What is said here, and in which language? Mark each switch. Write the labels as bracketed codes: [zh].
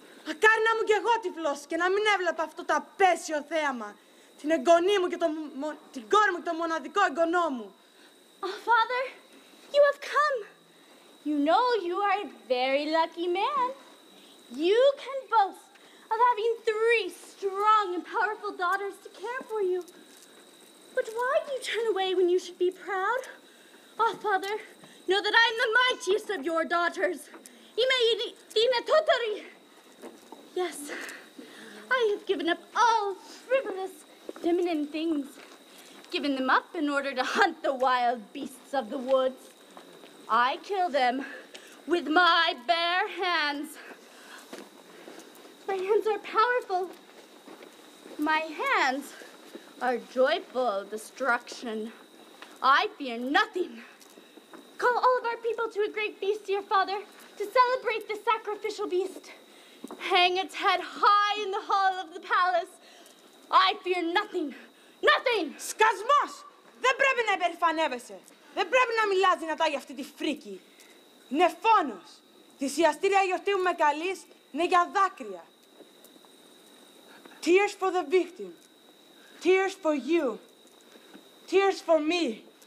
[el] Ακάρνα μου και εγώ τυφλός και να μην έβλεπα αυτό το απέσιο θέαμα. Την εγγονή μου και την κόρη μου και το μοναδικό εγγονό μου. [en] Oh, father, you have come. You know you are a very lucky man. You can boast of having three strong and powerful daughters to care for you. But why do you turn away when you should be proud? Oh, father, know that I am the mightiest of your daughters. [el] Είμαι η δυνατότερη. [en] Yes, I have given up all frivolous feminine things, given them up in order to hunt the wild beasts of the woods. I kill them with my bare hands. My hands are powerful. My hands are joyful destruction. I fear nothing. Call all of our people to a great feast, dear father, to celebrate the sacrificial beast. Hang its head high in the hall of the palace. I fear nothing, nothing! [el] Σκασμός! Δεν πρέπει να υπερηφανεύεσαι. Δεν πρέπει να μιλάς δυνατά για αυτή τη φρίκη. Είναι φόνος. Θυσιαστήρια γιορτή που με καλείς είναι για δάκρυα. [en] Tears for the victim. Tears for you. Tears for me.